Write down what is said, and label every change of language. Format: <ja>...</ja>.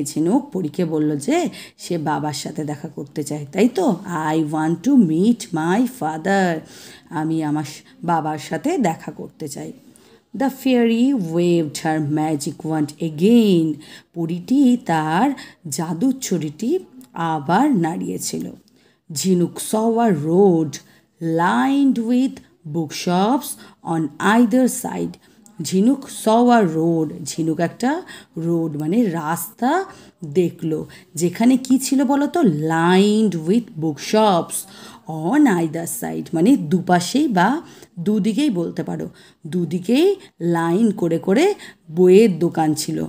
<bn>ঝিনুক পরীকে বলল যে সে বাবার সাথে দেখা করতে চায়, তাই তো?</bn> <en>I want to meet my father,</en> <bn>আমি আমার বাবার সাথে দেখা করতে চাই।</bn> <en>the fairy waved her magic wand again,</en> <bn>পরীটি তার জাদুর ছড়িটি আবার নাড়িয়েছিল।</bn> <en>Jhinuk saw a road lined with bookshops on either side.</en> <bn>ঝিনুক</bn> <en>saw a road,</en> <bn>ঝিনুক একটা রোড মানে রাস্তা দেখলো যেখানে কী ছিল বলো তো,</bn> <en>lined with bookshops on either side,</en> <bn>মানে দুপাশেই বা দুদিকেই বলতে পারো, দুদিকেই লাইন করে করে বইয়ের দোকান ছিল।</bn>